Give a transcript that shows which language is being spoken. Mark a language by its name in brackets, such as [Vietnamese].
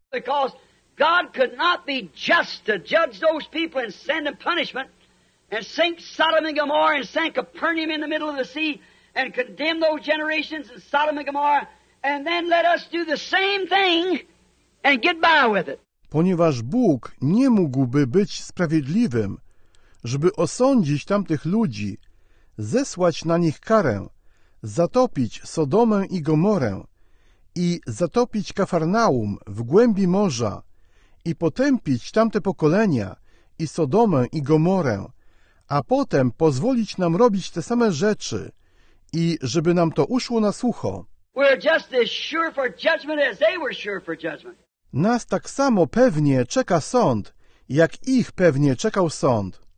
[English] Because God could not be just to judge those people and send them punishment and sink Sodom and Gomorrah and sink Capernaum in the middle of the sea and condemn those generations in Sodom and Gomorrah and then let us do the same thing and get by with it. [Polish] Ponieważ Bóg nie mógłby być sprawiedliwym, żeby osądzić tamtych ludzi, zesłać na nich karę, zatopić Sodomę i Gomorę i zatopić Kafarnaum w głębi morza i potępić tamte pokolenia i Sodomę i Gomorę, a potem pozwolić nam robić te same rzeczy i żeby nam to uszło na sucho. [English] We're just as sure for judgment as they were sure for judgment. [Polish] Nas tak samo pewnie czeka sąd, jak ich pewnie czekał sąd.